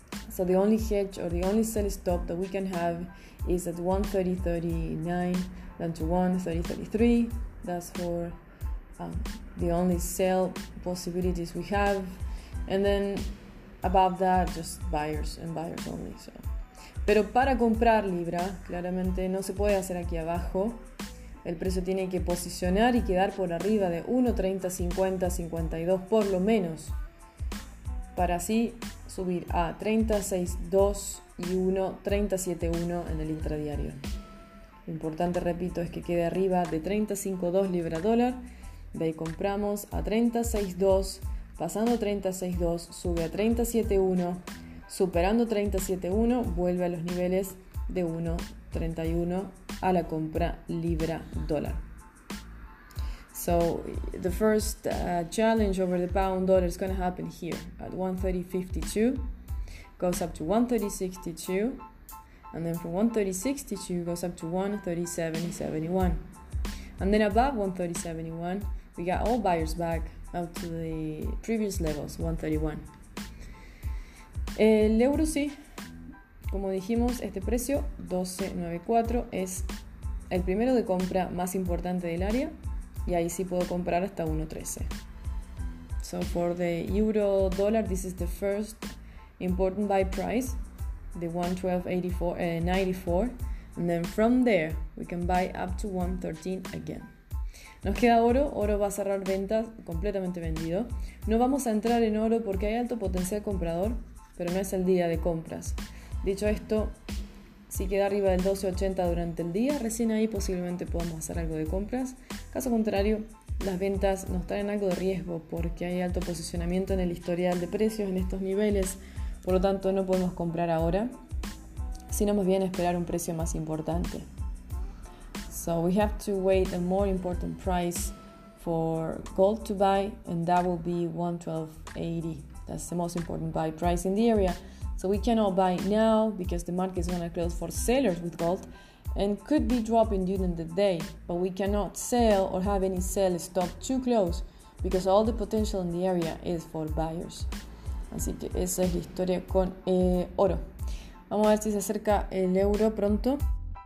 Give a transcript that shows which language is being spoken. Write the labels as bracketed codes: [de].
[en] So the only hedge or the only sell stop that we can have is at 1.3039, then to 1.3033. That's for the only sell possibilities we have. And then above that, just buyers and buyers only. [es] So, pero para comprar libra, claramente no se puede hacer aquí abajo. El precio tiene que posicionar y quedar por arriba de 1.30, 50, 52 por lo menos. Para así subir a 36.2 y 1.371 en el intradiario. Lo importante, repito, es que quede arriba de 35.2 libra dólar. De ahí compramos a 36.2. Pasando 36.2, sube a 37.1. Superando 37.1, vuelve a los niveles de 1.31 a la compra libra dólar. [en] So the first challenge over the pound dollar is going to happen here at 1.3052, goes up to 1.3062, and then from 1.3062 goes up to 1.3071, and then above 1.3071 we got all buyers back up to the previous levels, 1.31. [es] El euro sí, como dijimos, este precio 12.94 es el primero de compra más importante del área. Y ahí sí puedo comprar hasta 1.13. [en] So for the euro dollar, this is the first important buy price, the 112.94. And then from there, we can buy up to 113 again. [es] Nos queda oro. Oro va a cerrar ventas completamente vendido. No vamos a entrar en oro porque hay alto potencial comprador, pero no es el día de compras. Dicho esto, si queda arriba del 12.80 durante el día, recién ahí posiblemente podamos hacer algo de compras. Caso contrario, las ventas nos traen algo de riesgo porque hay alto posicionamiento en el historial de precios en estos niveles. Por lo tanto, no podemos comprar ahora, sino más bien esperar un precio más importante. [en] So we have to wait a more important price for gold to buy, and that will be 112.80. That's the most important buy price in the area. So we cannot buy now because the market is going to close for sellers with gold and could be dropping during the day. But we cannot sell or have any sell stop too close because all the potential in the area is for buyers. [es] Así que esa es la historia con oro. Vamos a ver si se acerca el euro pronto.